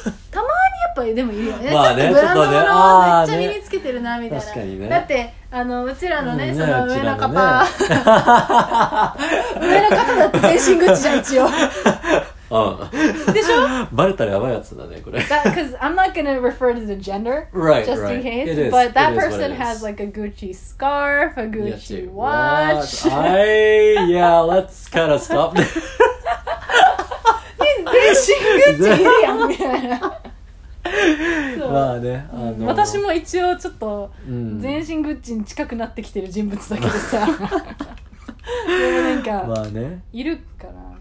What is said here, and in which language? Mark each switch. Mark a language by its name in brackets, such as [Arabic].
[Japanese] たまに。やっぱでもいいよね、まあ、ね、ちょっとブランドのめっちゃ身につけてるなみたいな、確かにね、だってあのうちらのね、うん、ね、その上の方、ね、上の方だって全身グッチじゃん一応でしょ、バレたらやばいやつだねこれ。 [English] Because I'm not gonna refer to the gender right, just right. in case is, but that person has like a Gucci scarf, a Gucci watch. I, yeah, let's kind of stop. [Japanese] 全身グッチいるやんみたいな。そう、まあね、あの、うん、私も一応ちょっと全身グッチに近くなってきてる人物だけどさ、うん、でもなんかまあねいるかな、